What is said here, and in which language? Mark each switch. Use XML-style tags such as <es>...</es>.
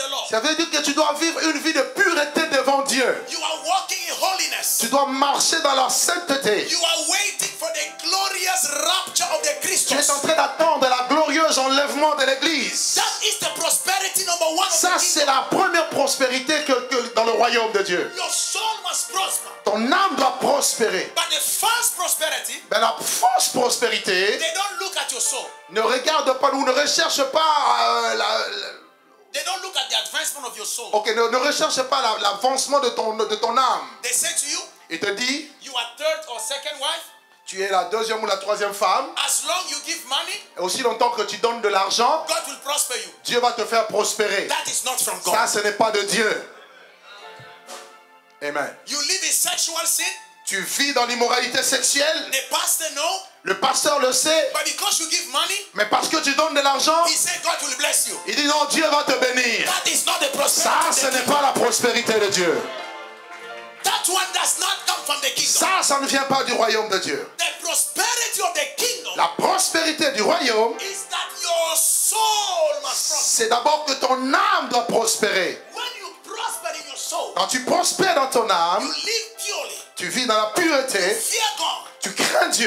<fr>Ça veut dire que tu dois vivre une vie de pureté devant Dieu.</fr> <en>You are walking in holiness.</en> <fr>Tu dois marcher dans la sainteté.</fr> <en>You are waiting for the glorious rapture of the Christos.</en> <fr>Tu es en train d'attendre la glorieuse enlèvement de l'Église.</fr> <en>That is the prosperity number one.</en> <fr>Ça, c'est la première prospérité que dans le royaume de Dieu.</fr> <en>Your soul must prosper.</en> <fr>Ton âme doit prospérer.</fr> <en>But the false prosperity,</en> <fr>mais la fausse prospérité,</fr> <en>they don't look at your soul.</en> <fr>Ne regarde pas ou ne recherche pas la</fr> <en>They don't look at the advancement of your soul.</en> <fr>Okay, ne recherche pas l'avancement de ton âme.</fr> <en>They say to you,</en> <fr>il te dit,</fr> <en>you are third or second wife.</en> <fr>Tu es la deuxième ou la troisième femme.</fr> <en>As long you give money,</en> <fr>et aussi longtemps que tu donnes de l'argent,</fr> <en>God will prosper you.</en> <fr>Dieu va te faire prospérer.</fr> <en>That is not from God.</en> <fr>Ça, ce n'est pas de Dieu. Amen.</fr> <en>You live in sexual sin.</en> <fr>Tu vis dans l'immoralité sexuelle.</fr> <en>The pastor knows.</en> <fr>Le pasteur le sait.</fr> <en>But because you give money,</en> <fr>mais parce que tu donnes de l'argent,</fr> <en>he said God will bless you.</en> <fr>Il dit non, Dieu va te bénir.</fr> <en>That is not the prosperity.</en> <fr>Ça, ce n'est pas la prospérité de Dieu.</fr> <en>That one does not come from the kingdom.</en> <fr>Ça ne vient pas du royaume de Dieu.</fr> <en>The prosperity of the kingdom,</en> <fr>la prospérité du royaume,</fr> <en>is that your soul must prosper.</en> <fr>C'est d'abord que ton âme doit prospérer.</fr> <en>When you prosper in your soul,</en> <fr>quand tu prospères dans ton âme,</fr> <en>you live purely.</en> <fr>Tu vis dans la pureté. Tu crains Dieu.</fr>